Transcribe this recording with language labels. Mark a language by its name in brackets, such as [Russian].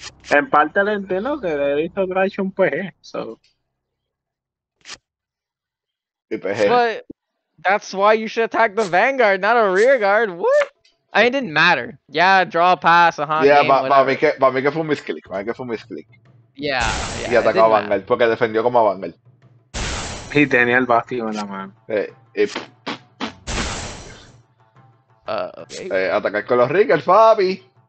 [Spanish] En parte le entiendo que le hizo Grash un PG, so. [English] But that's why you should attack the Vanguard, not a rear guard. What? I mean, it didn't matter. Yeah, draw, pass, a Han. Yeah, game, [Spanish] but para mí que fue un misclick. Para mí que fue un misclick. Yeah. Y atacó a Vanguard, porque defendió como a Vanguard. Y tenía el bastión en la mano. Okay. Atacar con los Riegel, Fabi.